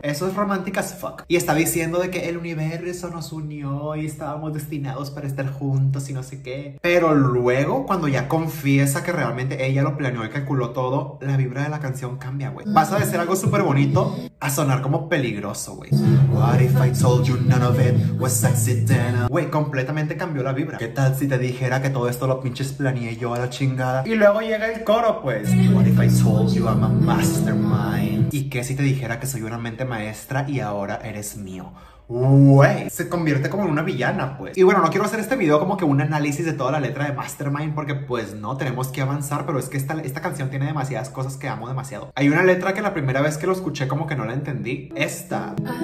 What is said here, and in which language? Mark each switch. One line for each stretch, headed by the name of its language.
Spanish: Eso es romántica
English: as fuck.
Spanish: Y está diciendo de que el universo nos unió y estábamos destinados para estar juntos y no sé qué. Pero luego, cuando ya confiesa que realmente ella lo planeó y calculó todo, la vibra de la canción cambia, güey. Pasa de ser algo súper bonito a sonar como peligroso, güey.
English: What if I told you none of it was accidental?
Spanish: Güey, completamente cambió la vibra. ¿Qué tal si te dijera que todo esto lo pinches planeé yo a la chingada? Y luego llega el coro, pues.
English: What if I told you I'm a mastermind?
Spanish: ¿Y qué si te dijera que soy una mente maestra y ahora eres mío? Wey, se convierte como en una villana, pues. Y bueno, no quiero hacer este video como que un análisis de toda la letra de Mastermind, porque pues no, tenemos que avanzar. Pero es que esta canción tiene demasiadas cosas que amo demasiado. Hay una letra que la primera vez que lo escuché como que no la entendí. Esta.